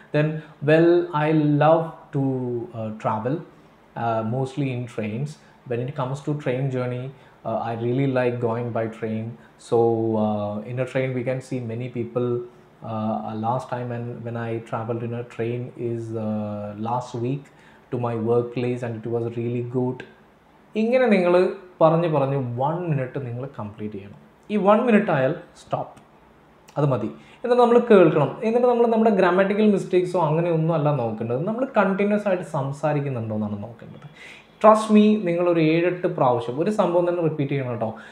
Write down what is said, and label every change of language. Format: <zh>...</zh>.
<en>Then well I love to travel mostly in trains. When it comes to train journey I really like going by train. So in a train we can see many people. Last time and when I traveled in a train is last week to my workplace and it was really good.</en> <ml>ഇങ്ങനെ നിങ്ങൾ പറഞ്ഞു പറഞ്ഞ് 1 minute നിങ്ങൾ complete ചെയ്യണം. ഈ 1 minute ആയാൽ stop, അത് മതി. എന്നിട്ട് നമ്മൾ കേൾക്കണം. എന്നിട്ട് നമ്മൾ നമ്മുടെ ഗ്രാമാറ്റിക്കൽ മിസ്റ്റേക്സോ അങ്ങനെയൊന്നും അല്ല നോക്കേണ്ടത്, നമ്മൾ കണ്ടിന്യൂസ് ആയിട്ട് സംസാരിക്കുന്നുണ്ടോ എന്നാണ് നോക്കേണ്ടത്. ട്രസ്റ്റ് മീ, നിങ്ങളൊരു 7-8 പ്രാവശ്യം ഒരു സംഭവം തന്നെ റിപ്പീറ്റ് ചെയ്യണം കേട്ടോ.</ml>